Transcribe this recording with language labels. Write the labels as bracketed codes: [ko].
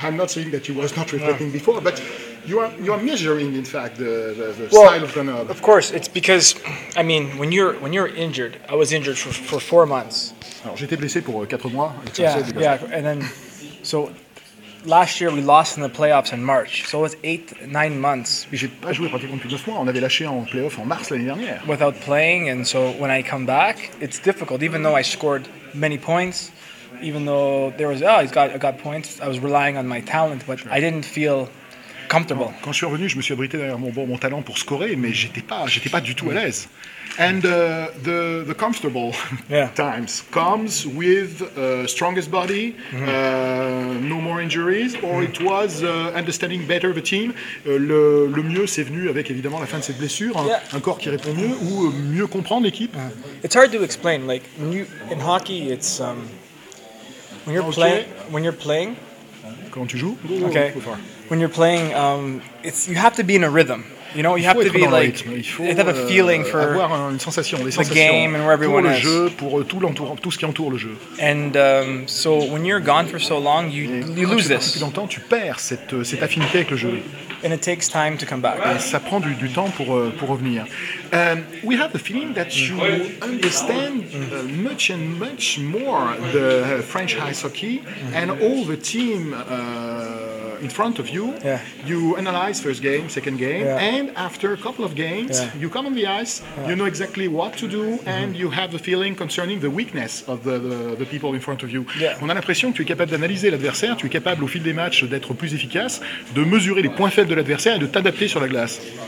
[en] I'm not saying that you was not reflecting before, but You are measuring, in fact, the style of Grenoble. Of course, it's because, I mean, when you're injured, I was injured for 4 months. [fr] J'étais blessé pour 4 mois. [en] And then, so last year we lost in the playoffs in March. So it was 8-9 months. [fr] J'ai pas joué pratiquement plus de 2 mois. On avait lâché en playoffs en mars l'année dernière. [en] Without playing, and so when I come back, it's difficult. Even though I scored many points, even though there was I got points, I was relying on my talent, but I didn't feel comfortable. [fr] Quand je suis revenu, je me suis abrité derrière mon talent pour scorer, mais j'étais pas du tout à l'aise. [en] And the comfortable times comes with strongest body, no more injuries, or it was understanding better the team. [fr] Le mieux, c'est venu avec évidemment la fin de cette blessure, un corps qui répond mieux ou mieux comprendre l'équipe. [en] It's hard to explain. Like in hockey, it's when you're playing. [fr] Quand tu joues. [en] Okay. When you're playing, it's you have to be in a rhythm. You know, you have to be like, you have a feeling for the game and where everyone is. [fr] Pour le jeu, pour tout ce qui entoure le jeu. [en] And so when you're gone for so long, you lose this. [fr] Depuis longtemps, tu perds cette affinité avec le jeu. [en] And it takes time to come back. [fr] Ça prend du temps pour revenir. [en] We have the feeling that you understand much and much more the French ice hockey and all the team. In front of you, you analyze first game, second game, and after a couple of games, you come on the ice, you know exactly what to do, and you have a feeling concerning the weakness of the people in front of you. Yeah. [fr] On a l'impression que tu es capable d'analyser l'adversaire, tu es capable au fil des matchs d'être plus efficace, de mesurer les points faibles de l'adversaire et de t'adapter sur la glace.